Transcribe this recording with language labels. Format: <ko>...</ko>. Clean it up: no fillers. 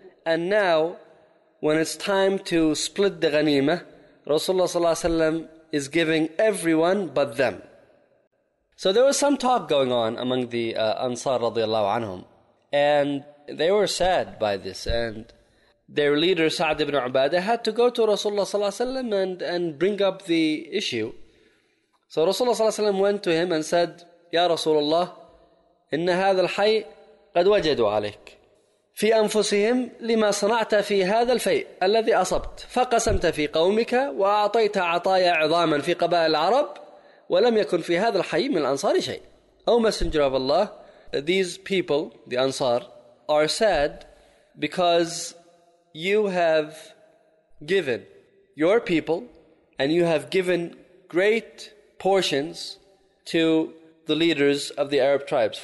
<en>And now, when it's time to split the ghanima, Rasulullah ﷺ is giving everyone but them. So there was some talk going on among the Ansar radiallahu anhum. And they were sad by this. And their leader, Sa'd ibn Ubadah, had to go to Rasulullah ﷺ and bring up the issue. So Rasulullah ﷺ went to him and said, Ya Rasulullah,</en> <ar>إِنَّ هَذَا الْحَيْءِ قَدْ وَجَدُوا عَلَيْكَ في أنفسهم لما صنعت في هذا الفيء الذي أصبت فقسمت في قومك وأعطيت عطايا عظاما في قبائل العرب ولم يكن في هذا الحي من الأنصار شيء.</ar> <en>Oh Messenger of Allah, these people, the Ansar, are sad because you have given your people and you have given great portions to the leaders of the Arab tribes.</en>